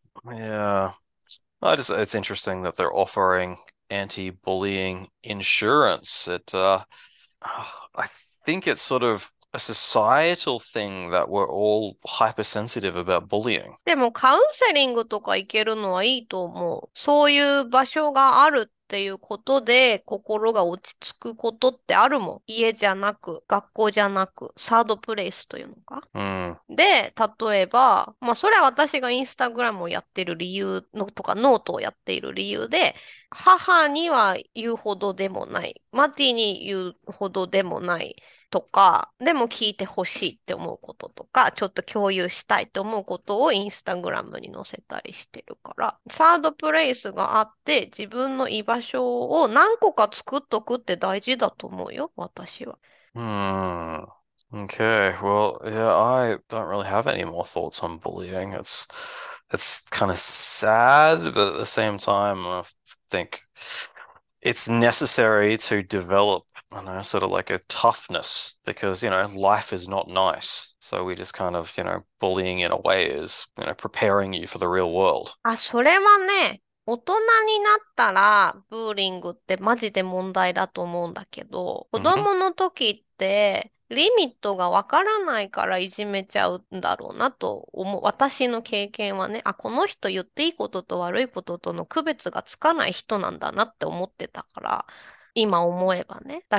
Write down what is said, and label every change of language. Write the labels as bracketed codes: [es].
[en] Yeah, it's interesting that they're offering anti-bullying insurance. I think it's sort of a societal thing that we're all hypersensitive about bullying. [ja] でもカウンセリングとか行けるのはいいと思う。そういう場所があるっていうことで心が落ち着くことってあるもん。家じゃなく、学校じゃなく、サードプレイスというのか。で、例えば、まあそれは私がインスタグラムをやってる理由のとか、ノートをやっている理由で、母には言うほどでもない。マティに言うほどでもない。とか、でも聞いてほしいって思うこととか、ちょっと共有したいって思うことをインスタグラムに載せたりしてるから、サードプレイスがあって自分の居場所を何個か作っとくって大事だと思うよ、私は。 [en] Okay, well, yeah, I don't really have any more thoughts on bullying. It's kind of sad, but at the same time, I think it's necessary to develop, I don't know, sort of like a toughness because, life is not nice. So we just kind of, bullying in a way is, preparing you for the real world. [ja] あ、それはね、大人になったら、ブーリングってマジで問題だと思うんだけど、子供の時って、リミットがわからないからいじめちゃうんだろうなと思う。私の経験はね、あ、この人言っていいことと悪いこととの区別がつかない人なんだなって思ってたから、今思えばね。